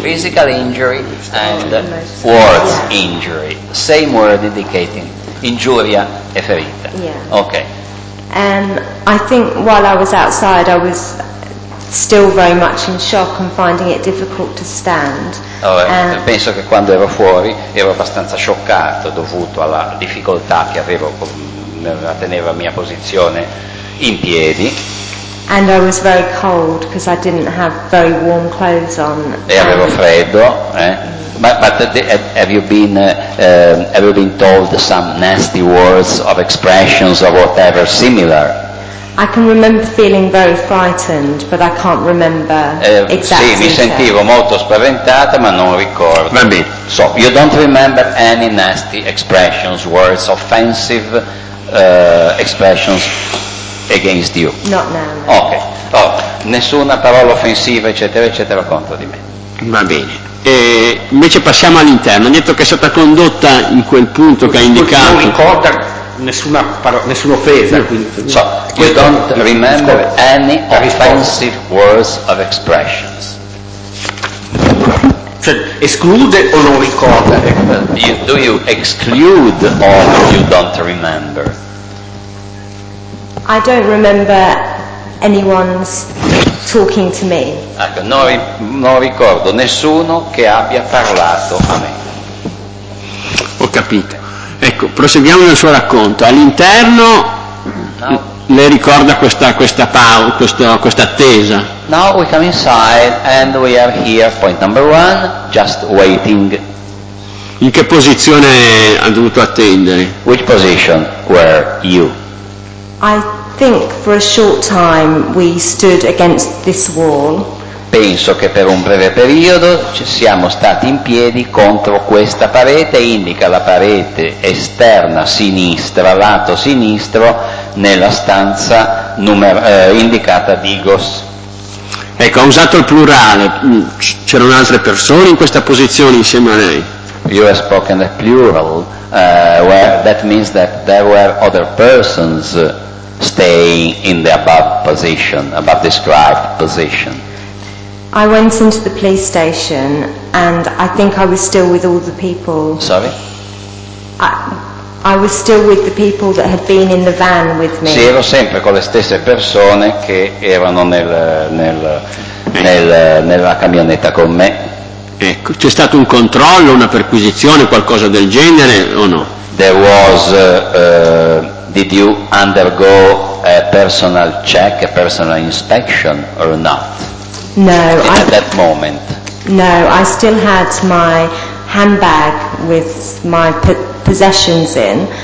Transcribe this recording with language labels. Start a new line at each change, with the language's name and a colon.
English: Physical injury and words injury. Same word indicating
Italian: injuria e ferita.
English: Yeah. Okay. I think while I was outside, I was still very much in shock and finding it difficult to stand.
Italian: Penso che quando ero fuori ero abbastanza scioccato dovuto alla difficoltà che avevo a tenere la mia posizione in piedi.
English: And I was very cold because I didn't have very warm clothes on.
Italian: E avevo freddo,
English: But have you been told some nasty words or expressions or whatever similar? I can remember feeling very frightened, but I can't remember exactly.
Italian: Sì, mi sentivo molto spaventata, ma non ricordo.
English: Maybe. So, you don't remember any nasty expressions, words, offensive expressions against you? Not now. Okay.
Italian: Oh, nessuna parola offensiva, eccetera, eccetera, contro di me. Va bene. E invece passiamo all'interno. Hai detto che è stata condotta in quel punto che ha indicato. Non ricorda nessuna offesa, quindi.
English: So, you don't remember any offensive words of expressions.
Italian: Cioè, esclude o non ricorda?
English: Do you exclude or you don't remember? I don't remember anyone's talking to me.
Italian: Ecco, non ricordo nessuno che abbia parlato a me. Ho capito. Ecco, proseguiamo nel suo racconto. All'interno le ricorda questa attesa.
English: Now we come inside and we are here, point number one, just waiting.
Italian: In che posizione ha dovuto attendere?
English: Which position were you? I think for a short time we stood against this wall.
Italian: Penso che per un breve periodo ci siamo stati in piedi contro questa parete, indica la parete esterna sinistra, lato sinistro, nella stanza indicata Digos. Ecco, ha usato il plurale, c'erano altre persone in questa posizione insieme a lei.
English: You have spoken the plural, where that means that there were other persons staying in the above position, above described position. I went into the police station and I think I was still with all the people. Sorry? I was still with the people that had been in the van with me.
Italian: Sì, ero sempre con le stesse persone che erano nella camionetta con me. Ecco, c'è stato un controllo, una perquisizione, qualcosa del genere o no?
English: There was did you undergo a personal check, a personal inspection or not? No, at that moment. No, I still had my handbag with my possessions in.